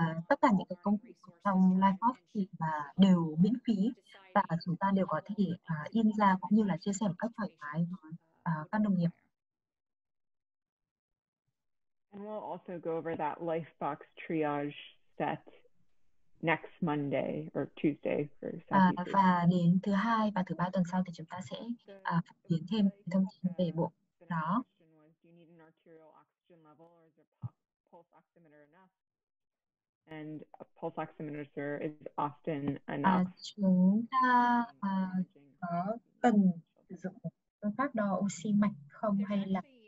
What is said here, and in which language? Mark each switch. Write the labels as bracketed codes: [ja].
[vi] Tất cả những cái công cụ trong LifeBox thì đều miễn phí và chúng ta đều có thể in ra cũng như là chia sẻ một cách thoải mái với các đồng nghiệp. [en] And we'll also go over that LifeBox triage set next Monday or Tuesday for some. [vi] Và đến thứ hai và thứ ba tuần sau thì chúng ta sẽ phổ biến thêm thông tin về bộ đó. [en] Do you need an arterial oxygen level or is your pulse oximeter enough? And a pulse oximeter is often enough. [vi] Chúng ta có cần sử dụng phương pháp đo oxy mạch không hay là